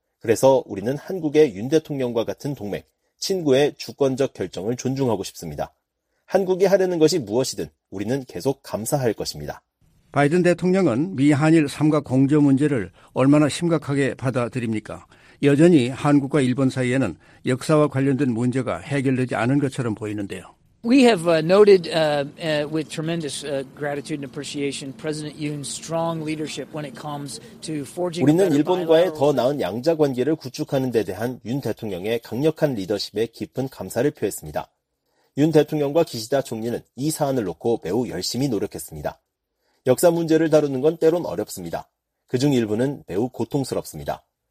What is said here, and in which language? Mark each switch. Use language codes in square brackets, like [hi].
[ko] 그래서 우리는 한국의 윤 대통령과 같은 동맹, 친구의 주권적 결정을 존중하고 싶습니다. 한국이 하려는 것이 무엇이든 우리는 계속 감사할 것입니다. 바이든 대통령은 미한일 삼각 공조 문제를 얼마나 심각하게 받아들입니까? 여전히 한국과 일본 사이에는 역사와 관련된 문제가 해결되지 않은 것처럼 보이는데요. [en] We have noted with tremendous gratitude and appreciation President Yoon's strong leadership when it comes to forging. [ko] 우리는 일본과의 더 나은 양자 관계를 구축하는 데 대한 윤 대통령의 강력한 리더십에 깊은 감사를 표했습니다. 윤 대통령과 기시다 총리는 이 사안을 놓고 매우 열심히 노력했습니다. 역사 문제를 다루는 건 때론 어렵습니다. 그중 일부는 매우 고통스럽습니다.